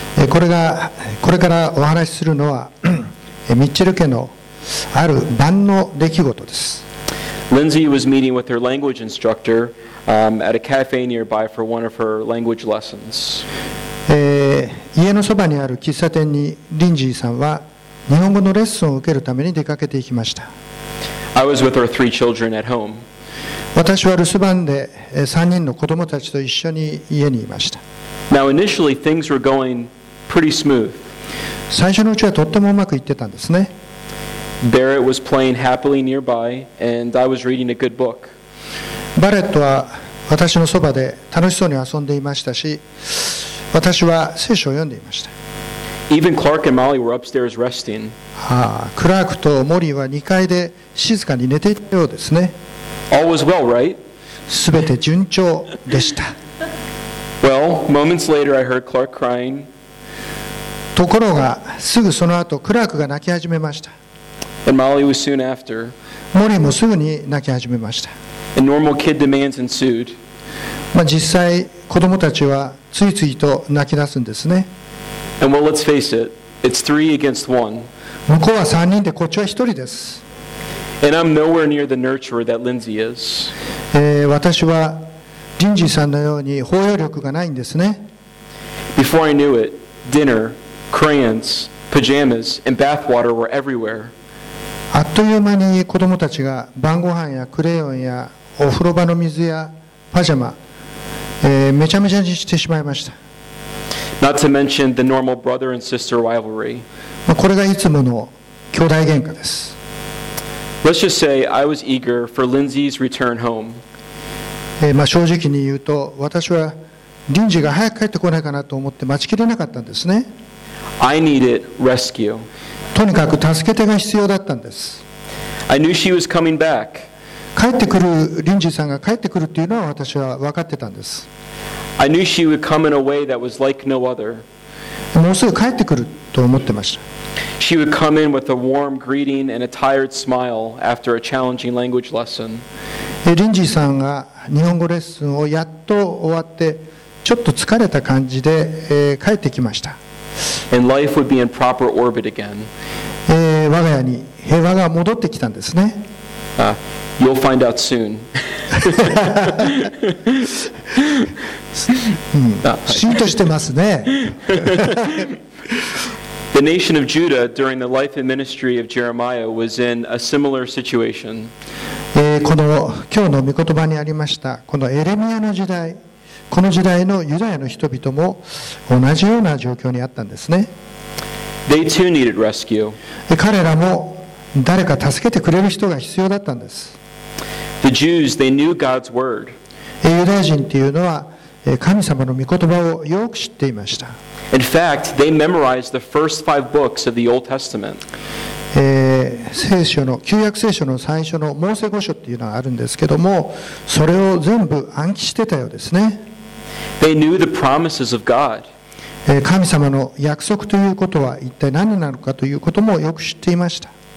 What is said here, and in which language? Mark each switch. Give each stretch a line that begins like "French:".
Japanese: これからお話しするのは、ミッチェル家のある晩の出来事です。
English: Lindsay was meeting with her language instructor, at a cafe nearby for one of her language lessons.
Japanese: 家のそばにある喫茶店にリンジーさんは日本語のレッスンを受けるために出かけていきました。
English: I was with her three children at home.
Japanese: 私は留守番で3人の子供たちと一緒に家にいました。
English: Now initially things were going pretty smooth.
Japanese: 最初のうちはとってもうまくいってたんですね。
English: Barrett was playing happily nearby, and I was reading a good book.
Japanese: バレットは私のそばで楽しそうに遊んでいましたし、私は聖書を読んでいました。
English: Even Clark and Molly were upstairs resting.
Japanese: クラークとモリーは2階で静かに寝ていたようですね。
English: All was well, right?
Japanese: 全て順調でした。
English: Well, moments later, I heard Clark crying.
Japanese: ところが、すぐその後、クラークが泣き始めました。
English: And Molly was soon after.
Japanese: モリーもすぐに泣き始めました。
English: And normal kid demands ensued.
Japanese: 実際、子供たちはついついと泣き出すんですね。
English: And well, let's face it, it's three against one.
Japanese: 向こうは3人でこっちは1人です。
English: And I'm nowhere near the nurturer that Lindsay is.
Japanese: 私はリンジーさんのように包容力がないんですね。
English: Before I knew it, dinner, crayons, pajamas, and bathwater were everywhere.
Japanese: あっという間に子供たちが晩ご飯やクレヨンやお風呂場の水やパジャマ、めちゃめちゃにしてしまいました。
English: Not to mention the normal brother and sister rivalry.
Japanese: これがいつもの兄弟喧嘩です。
English: Let's just say I was eager for Lindsay's return home.
Japanese: 正直に言うと、私はリンジーが早く帰ってこないかなと思って待ちきれなかったんですね。
English: I needed rescue.
Japanese: とにかく助け手が必要だったんです。
English: I knew she was coming back.
Japanese: 帰ってくる、リンジーさんが帰ってくるっていうのは私は分かってたんです。
English: I knew she would come in a way that was like no other.
Japanese: もうすぐ帰ってくると思ってました。
English: She would come in with a warm greeting and a tired smile after a challenging language lesson.
Japanese: リンジーさんが日本語レッスンをやっと終わってちょっと疲れた感じで、帰ってきました。
English: And life would be in proper orbit again.
Japanese: 我が家に平和が戻ってきたんですね。
English: You'll find out soon.
Japanese: 浸透してますね。
English: The nation of Judah during the life and ministry of Jeremiah was in a similar situation.
Japanese: この今日の御言葉にありましたこのエレミアの時代、この時代のユダヤの人々も同じような状況にあったんですね。
English: They too needed rescue.
Japanese: 彼らも誰か助けてくれる人が必要だったんです。
English: The Jews, they knew God's word.
Japanese: ユダヤ人っていうのは神様の御言葉をよく知っていました。
English: In fact, they memorized the first five books of the Old Testament.
Japanese: 聖書の旧約聖書の最初のモーセ五書っていうのがあるんですけども、それを全部暗記してたようですね。
English: They knew the promises of God.
Japanese: 神様の約束ということは一体何なのかということもよく知っていました。